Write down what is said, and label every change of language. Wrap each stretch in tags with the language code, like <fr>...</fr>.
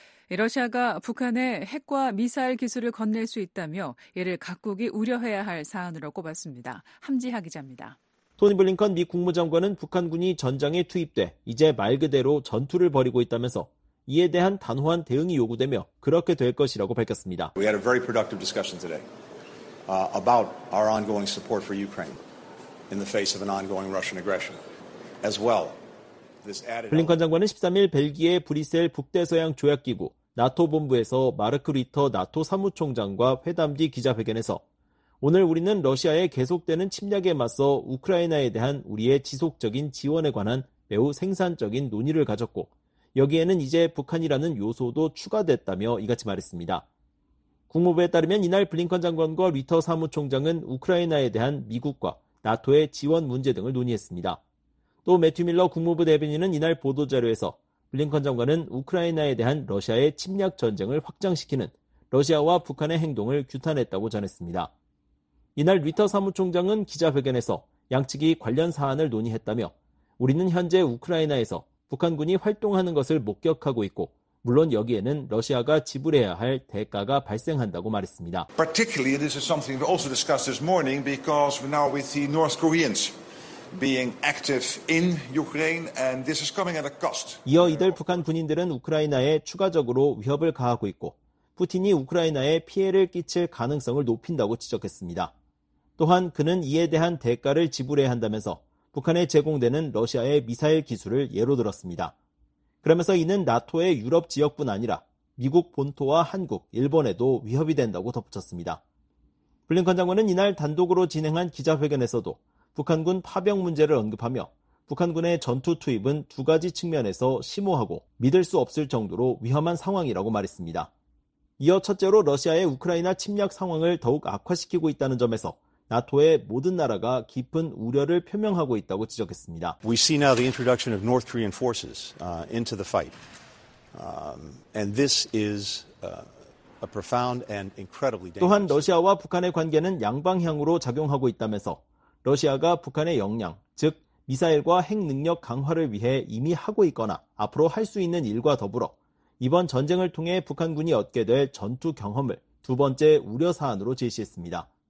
<ko>러시아가 북한에 핵과 미사일 기술을 건넬 수 있다며 이를 각국이 우려해야 할 사안으로 꼽았습니다. 함지하 기자입니다. 토니 블링컨 미 국무장관은 북한군이 전장에 투입돼 이제 말 그대로 전투를 벌이고 있다면서 이에 대한 단호한 대응이 요구되며 그렇게 될 것이라고 밝혔습니다.</ko> <en>We had a very productive discussion today about our ongoing support for Ukraine in the face of an ongoing Russian aggression as well.</en> <ko>블링컨 장관은 13일 벨기에 브뤼셀 북대서양 조약기구 나토 본부에서 마르크 리터 나토 사무총장과 회담 뒤 기자회견에서 오늘 우리는 러시아의 계속되는 침략에 맞서 우크라이나에 대한 우리의 지속적인 지원에 관한 매우 생산적인 논의를 가졌고 여기에는 이제 북한이라는 요소도 추가됐다며 이같이 말했습니다. 국무부에 따르면 이날 블링컨 장관과 리터 사무총장은 우크라이나에 대한 미국과 나토의 지원 문제 등을 논의했습니다. 또 매튜 밀러 국무부 대변인은 이날 보도자료에서 블링컨 장관은 우크라이나에 대한 러시아의 침략 전쟁을 확장시키는 러시아와 북한의 행동을 규탄했다고 전했습니다. 이날 리터 사무총장은 기자회견에서 양측이 관련 사안을 논의했다며 우리는 현재 우크라이나에서 북한군이 활동하는 것을 목격하고 있고 물론 여기에는 러시아가 지불해야 할 대가가 발생한다고 말했습니다.</ko> <en>Particularly, this is something we also discussed this morning because now we see North Koreans being active in Ukraine and this is coming at a cost.</en> <ko>이어 이들 북한 군인들은 우크라이나에 추가적으로 위협을 가하고 있고 푸틴이 우크라이나에 피해를 끼칠 가능성을 높인다고 지적했습니다. 또한 그는 이에 대한 대가를 지불해야 한다면서 북한에 제공되는 러시아의 미사일 기술을 예로 들었습니다. 그러면서 이는 나토의 유럽 지역뿐 아니라 미국 본토와 한국, 일본에도 위협이 된다고 덧붙였습니다. 블링컨 장관은 이날 단독으로 진행한 기자회견에서도 북한군 파병 문제를 언급하며 북한군의 전투 투입은 두 가지 측면에서 심오하고 믿을 수 없을 정도로 위험한 상황이라고 말했습니다. 이어 첫째로 러시아의 우크라이나 침략 상황을 더욱 악화시키고 있다는 점에서 나토의 모든 나라가 깊은 우려를 표명하고 있다고 지적했습니다.</ko> <en>We see now the introduction of North Korean forces into the fight. And this is a profound and incredibly dangerous.</en> <ko>또한 러시아와 북한의 관계는 양방향으로 작용하고 있다면서 러시아가 북한의 역량, 즉 미사일과 핵 능력 강화를 위해 이미 하고 있거나 앞으로 할 수 있는 일과 더불어 이번 전쟁을 통해 북한군이 얻게 될 전투 경험을 두 번째 우려 사안으로 제시했습니다.</ko>